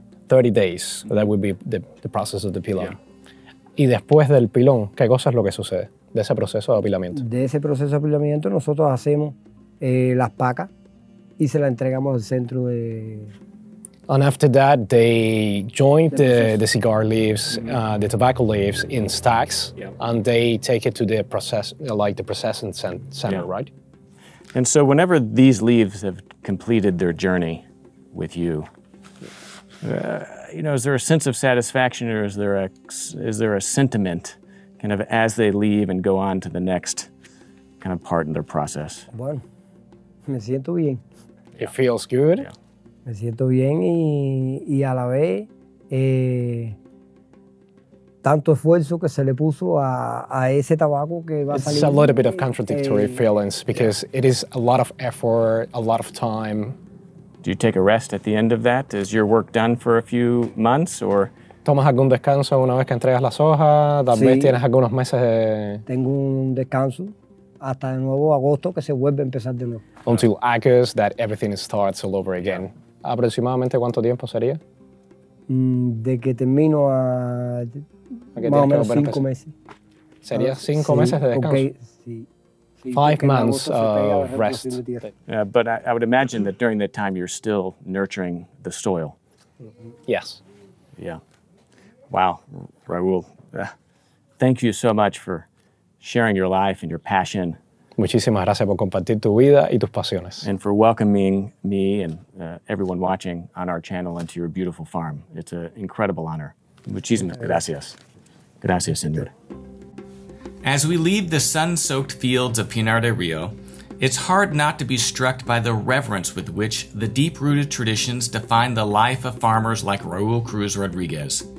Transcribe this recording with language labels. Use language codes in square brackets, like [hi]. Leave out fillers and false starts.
[en] 30 days, that would be the process of the pilón. [es] Yeah. Y después del pilón, ¿qué cosa es lo que sucede? De ese proceso de apilamiento. De ese proceso de apilamiento, nosotros hacemos las pacas y se las entregamos al centro de... [en] And after that, they joint the cigar leaves, the tobacco leaves, in stacks, and they take it to the process, like the processing center, right? And so whenever these leaves have completed their journey with you, you know, is there a sense of satisfaction, or is there a sentiment, kind of as they leave and go on to the next kind of part in their process? [es] Bueno, me siento bien. [en] It feels good. [es] Me siento bien y a la vez tanto esfuerzo que se le puso a ese tabaco que va a salir. [en] It's a little bit of contradictory feelings because it is a lot of effort, a lot of time. Do you take a rest at the end of that? Is your work done for a few months, or? [es] Tomas algún descanso una vez que entregas las hojas. Tal vez tienes algunos meses de. Tengo un descanso hasta de nuevo agosto que se vuelve a empezar de nuevo. [en] Until August, that everything starts all over again. [es] Aproximadamente cuánto tiempo sería? De que termino a más o menos 5 meses. Sería 5 meses de descanso. Okay. Sí. [en] 5 months of rest. But I would imagine that during that time you're still nurturing the soil. Mm-hmm. Yes. Yeah. Wow, Raul. Thank you so much for sharing your life and your passion. [es] Muchísimas gracias por compartir tu vida y tus pasiones. [en] And for welcoming me and everyone watching on our channel into your beautiful farm. It's an incredible honor. Muchísimas gracias. Gracias, señor. As we leave the sun-soaked fields of Pinar del Rio, it's hard not to be struck by the reverence with which the deep-rooted traditions define the life of farmers like Raul Cruz Rodriguez.